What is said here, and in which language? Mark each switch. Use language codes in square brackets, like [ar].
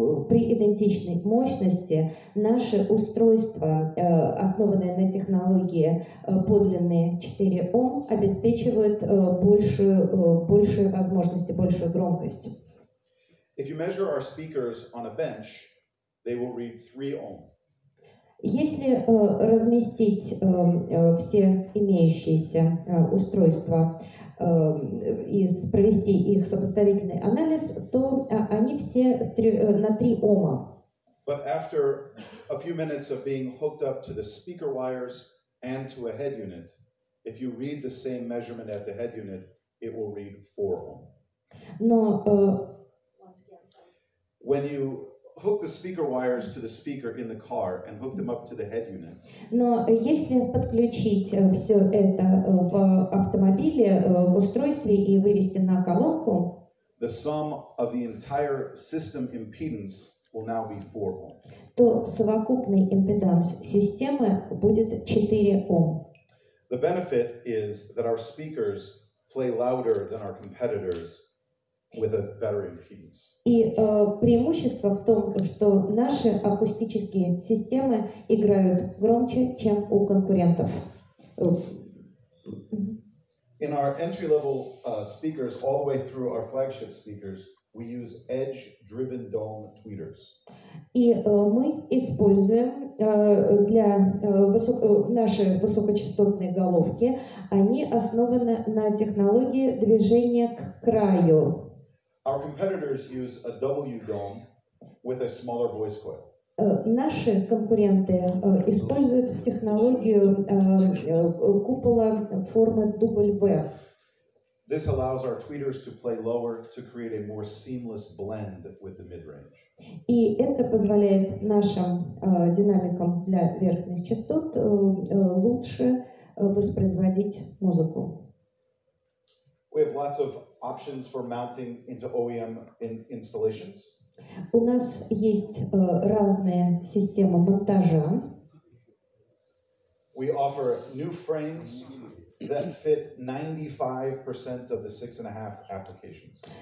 [ru] При идентичной мощности наши устройства, основанные на технологии подлинные 4 Ом, обеспечивают большие возможности, большую громкость. [en] If you measure our speakers on a bench, they will read 3 Ом. [ru] Если разместить все имеющиеся устройства и провести их сопоставительный анализ, то они все на 3 Ома. [en] But after a few minutes of being hooked up to the speaker wires and to a head unit, if you read the same measurement at the head unit, it will read 4 Ohm. [ru] Но [en] when you hook the speaker wires to the speaker in the car and hook them up to the head unit. [ru] Но если подключить все это в автомобиле, в устройстве и вывести на колонку, [en] the sum of the entire system impedance will now be 4 Ohm. [ru] То совокупный импеданс системы будет 4 Ohm. [en] The benefit is that our speakers play louder than our competitors with a better impedance. [ru] И преимущество в том, что наши акустические системы играют громче, чем у конкурентов. [en] In our entry level speakers all the way through our flagship speakers, we use edge driven dome tweeters. [ru] И мы используем для нашей высокочастотной головки, они основаны на технологии движения к краю. [en] Our competitors use a W dome with a smaller voice coil. [ru] Наши конкуренты используют технологию купола формы W. [en] This allows our tweeters to play lower to create a more seamless blend with the mid-range. [ru] И это позволяет нашим динамикам для верхних частот лучше воспроизводить музыку. [en] We have lots of options for mounting into OEM installations. [ru] У нас есть разные системы монтажа. [en] We offer new frames that fit 95% of the 6.5 applications.